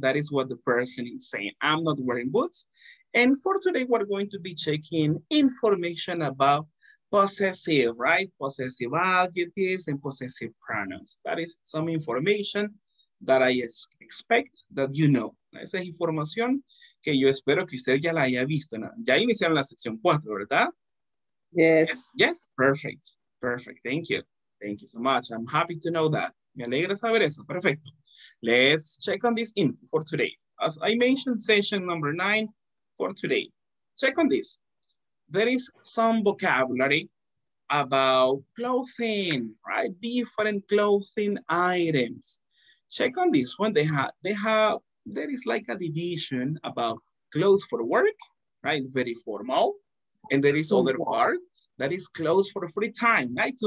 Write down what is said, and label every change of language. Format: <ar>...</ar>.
<en>That is what the person is saying, I'm not wearing boots. And for today, we're going to be checking information about possessive, right? Possessive adjectives and possessive pronouns. That is some information that I expect that you know.</en> <es>Esa es información que yo espero que usted ya la haya visto. Ya iniciaron la sección cuatro, ¿verdad?</es> <en>Yes, perfect, perfect, thank you so much, I'm happy to know that,</en> <es>me alegra saber eso, perfecto,</es> <en>let's check on this info for today, as I mentioned session number 9 for today, check on this, there is some vocabulary about clothing, right, different clothing items, check on this one, they have, there is like a division about clothes for work, right, very formal, and there is other part that is closed for free time, right?</en>